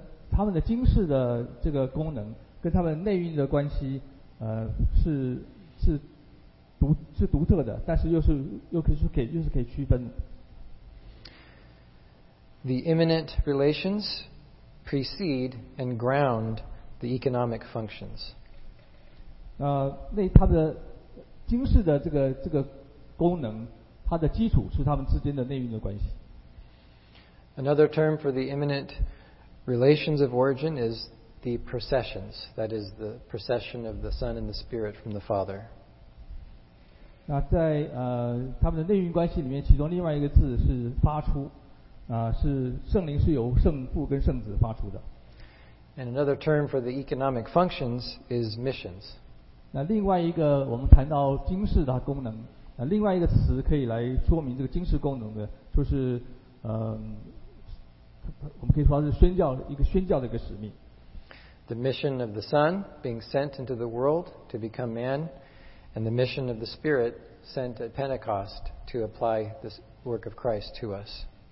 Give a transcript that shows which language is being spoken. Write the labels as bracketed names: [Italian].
[Chinese] 他们的经世的这个功能跟他们内蕴的关系，是独特的，但是又是可以区分的。 [English] The immanent relations precede and ground the economic functions. [Chinese] 那他们的经世的这个功能，它的基础是他们之间的内蕴的关系。 [English] Another term for the immanent relations of origin is the processions, that is the procession of the Son and the Spirit from the Father. [Chinese] 那在他们的内蕴关系里面，其中另外一个字是发出。是圣灵是由圣父跟圣子发出的。 [English] And another term for the economic functions is missions. [Chinese] 那另外一个我们谈到经世的功能，另外一个词可以来说明这个经世功能的，就是我们可以说是宣教的一个使命。 [English] The mission of the Son being sent into the world to become man, and the mission of the Spirit sent at Pentecost to apply this work of Christ to us.